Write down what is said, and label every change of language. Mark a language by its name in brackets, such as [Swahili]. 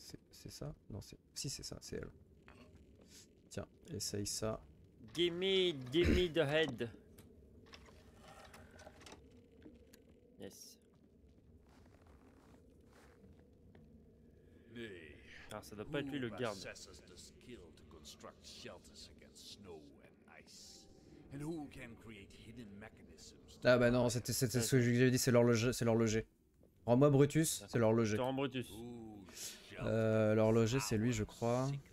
[French] C'est ça? Non, c'est. Si, c'est ça, c'est elle. Tiens, essaye ça. [English] Give me the head. Yes. [French] Ah, ça doit pas être lui le garde. [English] Who possesses the skill to construct shelters against snow and ice? And who can create hidden mechanisms? [French] Ah bah non, c'était ce que j'avais dit, c'est l'horloger. Rends-moi Brutus, c'est l'horloger. Je te rends Brutus. L'horloger, c'est lui, je crois.